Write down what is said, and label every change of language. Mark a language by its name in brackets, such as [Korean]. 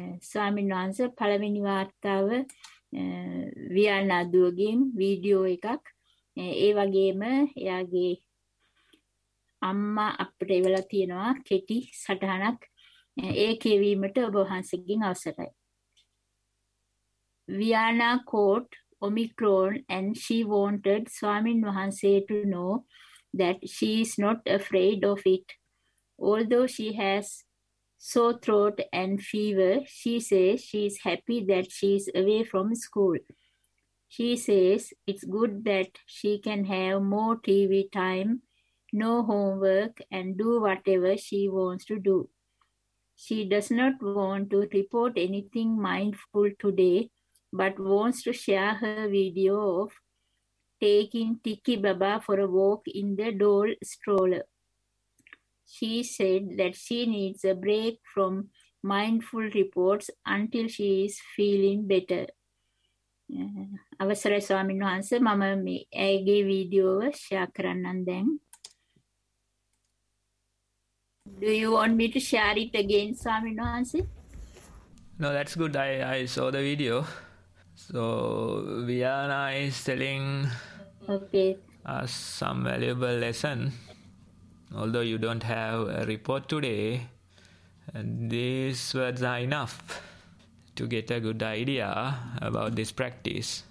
[Sinhala] ස්වාමීන් වහන්සේ, පළවෙනි වාර්තාව වියන්නදුවගෙන් වීඩියෝ එකක්. ඒ වගේම එයාගේ අම්මා අපිට එවලා තියෙනවා කෙටි සටහනක්. ඒ කියවීමට ඔබ වහන්සේගෙන් අවසරයි. [English] Viana caught Omicron and she wanted Swamin Vahanse to know that she is not afraid of it. Although she has sore throat and fever, she says she is happy that she is away from school. She says it's good that she can have more TV time no homework, and do whatever she wants to do. She does not want to report anything mindful today, but wants to share her video of taking Tiki Baba for a walk in the doll stroller. She said that she needs a break from mindful reports until she is feeling better. [Sinhala] අවසරයි ස්වාමීන් වහන්ස මම මේ ඇගේ වීඩියෝව share කරන්නම් දැන්. [English] Do you want me to share it again, Swamin Vahanse? No, that's good. I saw the video. So, Viana is telling okay. us some valuable lesson. Although you don't have a report today, these words are enough to get a good idea about this practice.